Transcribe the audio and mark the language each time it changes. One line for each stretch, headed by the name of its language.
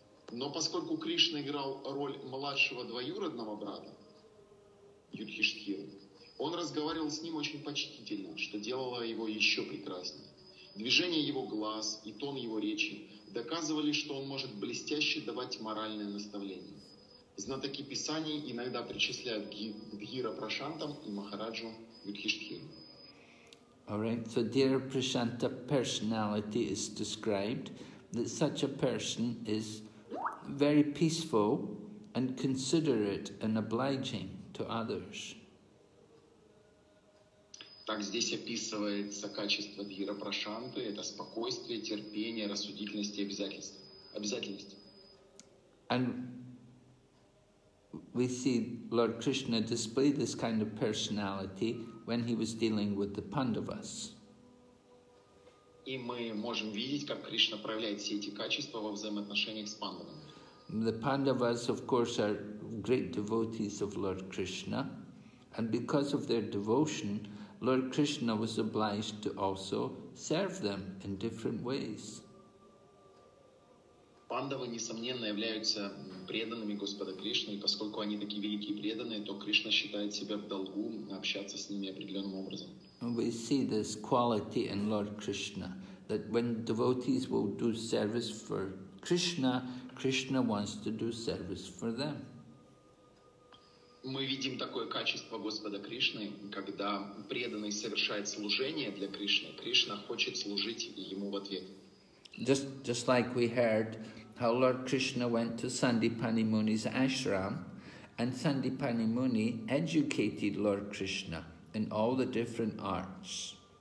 Russian: Но поскольку Кришна играл роль младшего двоюродного брата Юдхиштхиры, он разговаривал с ним очень почтительно, что делало его еще прекраснее. Движение его глаз и тон его речи доказывали, что он может блестяще давать моральное наставление. Знатоки писаний иногда причисляют Дхира Прашанта и Махараджу Юдхиштхиру.
English: All right, so Dhira Prashanta personality is described that such a person is very peaceful and considerate and obliging. to others.
Russian: Так здесь описывается качество дхира прашанты, это спокойствие, терпение, рассудительность и обязательность.
English: And we see Lord Krishna display this kind of personality when he was dealing with the Pandavas.
Russian: И мы можем видеть, как Кришна проявляет все эти качества во взаимоотношениях с Пандавами.
English: The Pandavas, of course, are great devotees of Lord Krishna, and because of their devotion, Lord Krishna was obliged to also serve them in different ways.
Russian: Пандавы, несомненно, являются преданными Господа Кришны, и поскольку они такие великие преданные, то Кришна считает себя в долгу общаться с ними определенным образом.
English: We see this quality in Lord Krishna, that when devotees will do service for Krishna, Krishna wants to do service for them.
Russian: Мы видим такое качество Господа Кришны, когда преданный совершает служение для Кришны, Кришна хочет служить ему в ответ.
English: Just like we heard how Lord Krishna went to Sandipani Muni's ashram, and Sandipani Muni educated Lord Krishna in all the different arts.